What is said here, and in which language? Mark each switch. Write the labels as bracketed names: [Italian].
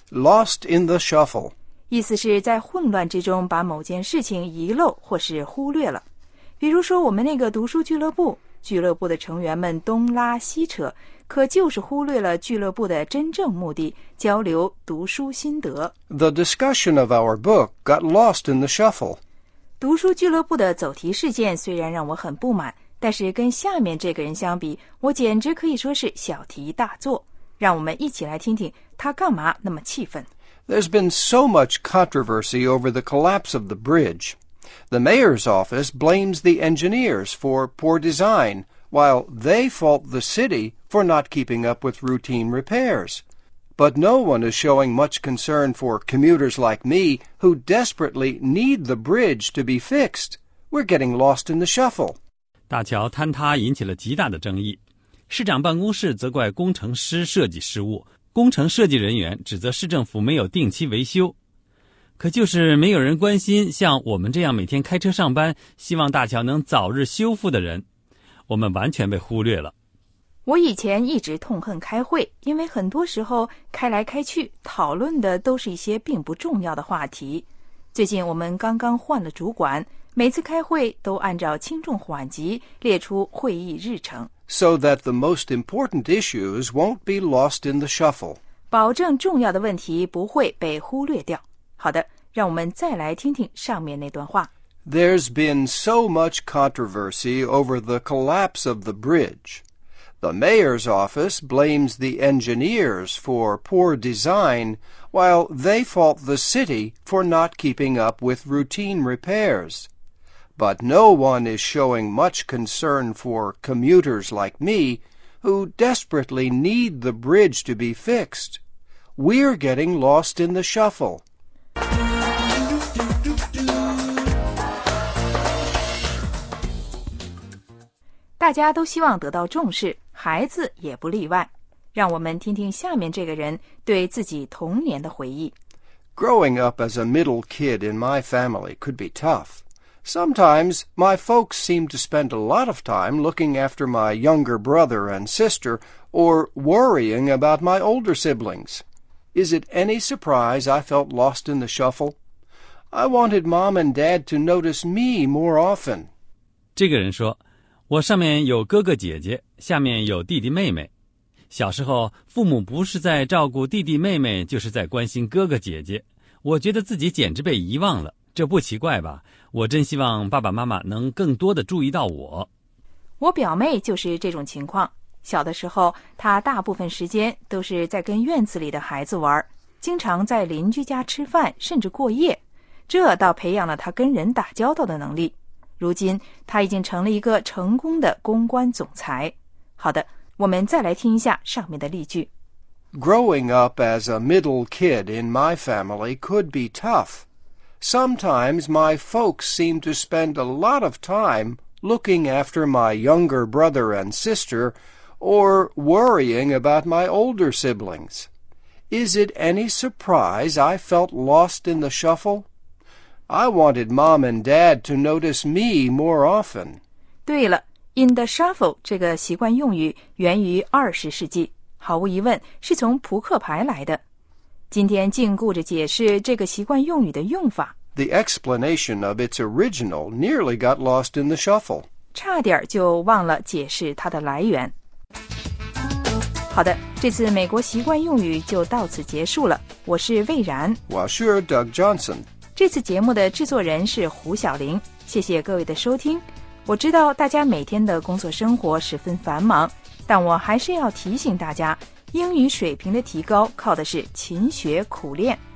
[English] Lost in the Shuffle. [Chinese] 意思是在混乱之中把某件事情遗漏或是忽略了。比如说我们那个读书俱乐部，俱乐部的成员们东拉西扯，可就是忽略了俱乐部的真正目的，交流读书心得。 [English] The discussion of our book got lost in the shuffle. [Chinese] 读书俱乐部的走题事件虽然让我很不满，但是跟下面这个人相比，我简直可以说是小题大做。让我们一起来听听他干嘛那么气愤。 [English] There's been so much controversy over the collapse of the bridge. The mayor's office blames the engineers for poor design, while they fault the city for not keeping up with routine repairs. But no one is showing much concern for commuters like me who desperately need the bridge to be fixed. We're getting lost in the shuffle. [Chinese] 大桥坍塌引起了极大的争议。市长办公室责怪工程师设计失误，工程设计人员指责市政府没有定期维修。可就是没有人关心像我们这样每天开车上班，希望大桥能早日修复的人，我们完全被忽略了。我以前一直痛恨开会，因为很多时候开来开去，讨论的都是一些并不重要的话题。最近我们刚刚换了主管，每次开会都按照轻重缓急列出会议日程。 [English] So that the most important issues won't be lost in the shuffle. [Chinese] 保证重要的问题不会被忽略掉。好的，让我们再来听听上面那段话。 [English] There's been so much controversy over the collapse of the bridge. The mayor's office blames the engineers for poor design, while they fault the city for not keeping up with routine repairs. But no one is showing much concern for commuters like me, who desperately need the bridge to be fixed. We're getting lost in the shuffle. [Chinese] 大家都希望得到重视，孩子也不例外。让我们听听下面这个人对自己童年的回忆。 [English] Growing up as a middle kid in my family could be tough. Sometimes my folks seemed to spend a lot of time looking after my younger brother and sister or worrying about my older siblings. Is it any surprise I felt lost in the shuffle? I wanted mom and dad to notice me more often. [Chinese] 这个人说我上面有哥哥姐姐，下面有弟弟妹妹。小时候，父母不是在照顾弟弟妹妹，就是在关心哥哥姐姐。我觉得自己简直被遗忘了，这不奇怪吧？我真希望爸爸妈妈能更多的注意到我。我表妹就是这种情况。小的时候，她大部分时间都是在跟院子里的孩子玩，经常在邻居家吃饭，甚至过夜。这倒培养了她跟人打交道的能力。如今他已经成了一个成功的公关总裁。好的，我们再来听一下上面的例句。 [English] Growing up as a middle kid in my family could be tough. Sometimes my folks seem to spend a lot of time looking after my younger brother and sister or worrying about my older siblings. Is it any surprise I felt lost in the shuffle? I wanted mom and dad to notice me more often. [Chinese] 对了 , [English] in the shuffle [Chinese] 这个习惯用语源于二十世纪，毫无疑问是从扑克牌来的。今天尽顾着解释这个习惯用语的用法。 [English] The explanation of its original nearly got lost in the shuffle. [Chinese] 差点就忘了解释它的来源。好的，这次美国习惯用语就到此结束了。我是魏然。 [English] Washer Doug Johnson. [Chinese] 这次节目的制作人是胡晓玲，谢谢各位的收听。我知道大家每天的工作生活十分繁忙，但我还是要提醒大家，英语水平的提高靠的是勤学苦练。